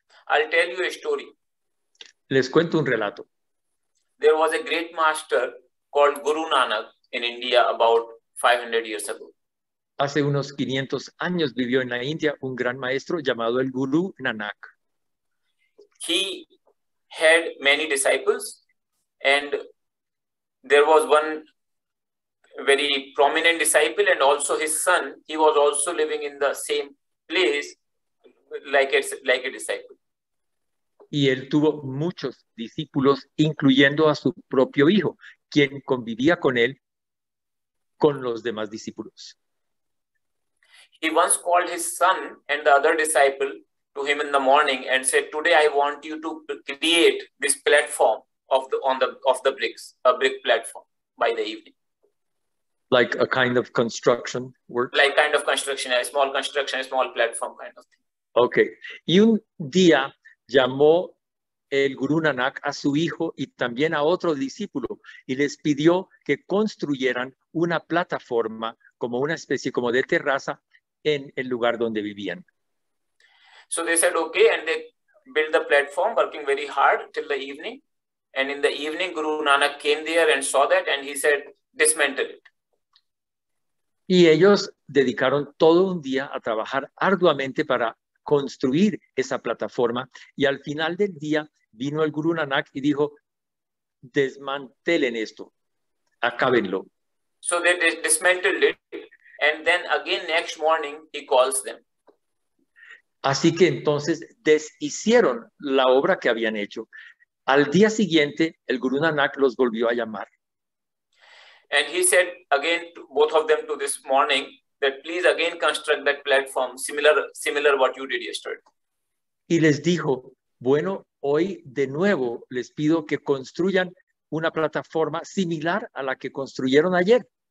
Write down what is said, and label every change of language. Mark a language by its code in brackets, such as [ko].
[en] I'll tell you a story. [es] Les cuento un relato. [en] There was a great master called Guru Nanak in India about 500 years ago. [es] Hace unos 500 años vivió en la India un gran maestro llamado el Guru Nanak. [en] He had many disciples and there was one very prominent disciple and also his son. He was also living in the same place like a disciple. [es] Y él tuvo muchos discípulos, incluyendo a su propio hijo, quien convivía con él, con los demás discípulos. [en] He once called his son and the other disciple to him in the morning and said, "Today I want you to create this platform of the bricks, a brick platform by the evening." Like a kind of construction work? Like kind of construction, a small platform kind of thing. Okay. [es] Y un día llamó el Guru Nanak a su hijo y también a otro discípulo y les pidió que construyeran una plataforma como una especie como de terraza en el lugar donde vivían. [en] So they said okay and they built the platform working very hard till the evening. And in the evening Guru Nanak came there and saw that and he said, "Dismantle it." [es] Y ellos dedicaron todo un día a trabajar arduamente para construir esa plataforma. Y al final del día vino el Guru Nanak y dijo, "Desmantelen esto, acábenlo." [en] So they dismantled it. And then again next morning he calls them. [es] Así que entonces deshicieron la obra que habían hecho. Al día siguiente el Guru Nanak los volvió a llamar. [en] And he said again to both of them to this morning that please again construct that platform similar what you did yesterday. [es] Y les dijo, bueno, hoy de nuevo les pido que construyan una plataforma similar a la que construyeron ayer.